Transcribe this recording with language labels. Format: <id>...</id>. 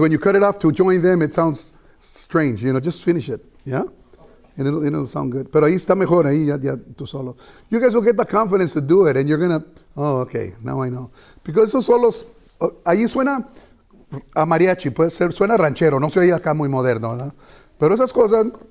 <en>When you cut it off to join them, it sounds strange. You know, just finish it, yeah? Okay. And it'll sound good.</en> <es>Pero ahí está mejor, ahí ya tu solo.</es> <en>You guys will get the confidence to do it, and you're going to, oh, okay, now I know.</en> <es>Because esos solos, ahí suena a mariachi, puede ser, suena ranchero, no se oye acá muy moderno, ¿verdad? Pero esas cosas...</es>